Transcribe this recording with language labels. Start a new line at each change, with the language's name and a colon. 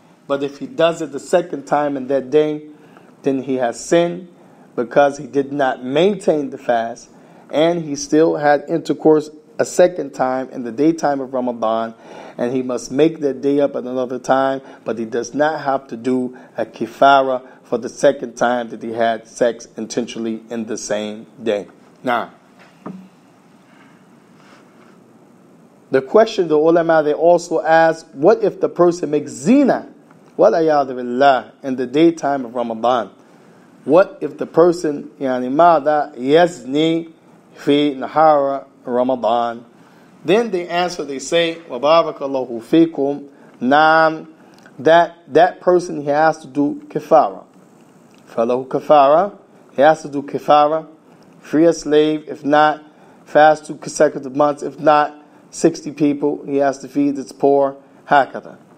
English: But if he does it the second time in that day, then he has sinned, because he did not maintain the fast, and he still had intercourse a second time in the daytime of Ramadan, and he must make that day up at another time, but he does not have to do a kifara for the second time that he had sex intentionally in the same day. Now, the question the ulama, they also ask, what if the person makes zina, walayadu billah, in the daytime of Ramadan? What if the person,
Arabic: يعني ماذا يزني في نهار رمضان?
English: Then they answer, they say,
Arabic: وبارك الله فيكم, نعم,
English: that person, he has to do kifara. فله kifara, he has to do kifara, free a slave, if not, fast 2 consecutive months, if not, 60 people, he has to feed its poor, هكذا.